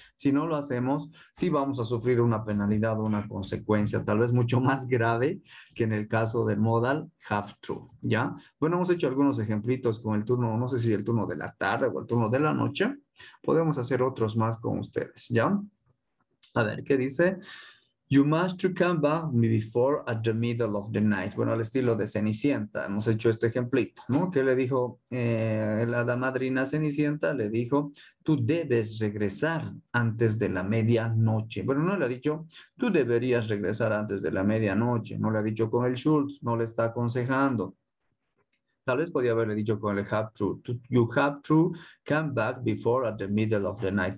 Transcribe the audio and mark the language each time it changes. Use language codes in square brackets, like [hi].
[es] Si no lo hacemos, sí vamos a sufrir una penalidad o una consecuencia, tal vez mucho más grave que en el caso del modal have to, ¿ya? Bueno, hemos hecho algunos ejemplitos con el turno, no sé si el turno de la tarde o el turno de la noche. Podemos hacer otros más con ustedes, ¿ya? A ver, ¿qué dice? [en] You must come back before at the middle of the night. [es] Bueno, al estilo de Cenicienta. Hemos hecho este ejemplito, ¿no? ¿Qué le dijo la hada madrina Cenicienta? Le dijo, tú debes regresar antes de la medianoche. Bueno, no le ha dicho, tú deberías regresar antes de la medianoche. No le ha dicho con el should, no le está aconsejando. Tal vez podía haberle dicho con el have to. [en] You have to come back before at the middle of the night.